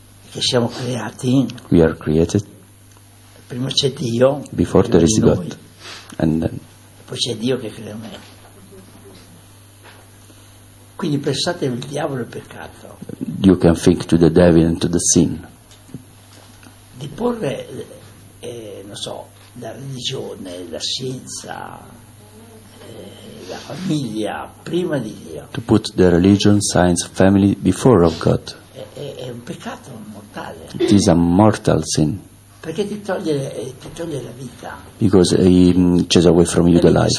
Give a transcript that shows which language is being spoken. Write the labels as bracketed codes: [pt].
[it] Che siamo creati. [en] We are created. [it] Prima c'è Dio. [en] Before there is God. And then. [it] Poi c'è Dio che crea me. Quindi pensate al diavolo e al peccato. [en] You can think to the devil and to the sin. [it] Di porre, non so, la religione, la scienza, la famiglia prima di Dio. [en] To put the religion, science, family before of God. [it] È un peccato mortale. [en] It is a mortal sin. [it] Perché ti toglie la vita. [en] Because he chases away from you the life.